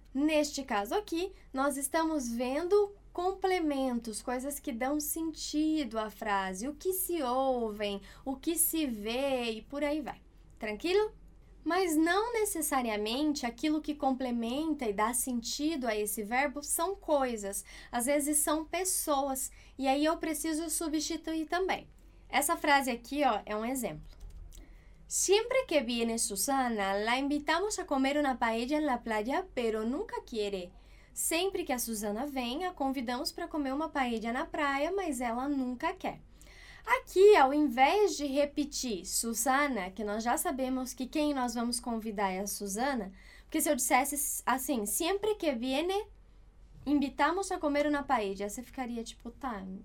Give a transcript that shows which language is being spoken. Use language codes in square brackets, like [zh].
[pt] Neste caso aqui, nós estamos vendo complementos, coisas que dão sentido à frase, o que se ouvem, o que se vê e por aí vai. Tranquilo? Mas não necessariamente aquilo que complementa e dá sentido a esse verbo são coisas. Às vezes são pessoas e aí eu preciso substituir também. Essa frase aqui, ó, é um exemplo. [es] Siempre que viene Susana, la invitamos a comer una paella en la playa, pero nunca quiere. [pt] Sempre que a Susana vem, a convidamos para comer uma paella na praia, mas ela nunca quer. Aqui, ao invés de repetir Susana, que nós já sabemos que quem nós vamos convidar é a Susana, porque se eu dissesse assim, [es] siempre que viene, invitamos a comer una paella, [pt] você ficaria tipo, tá...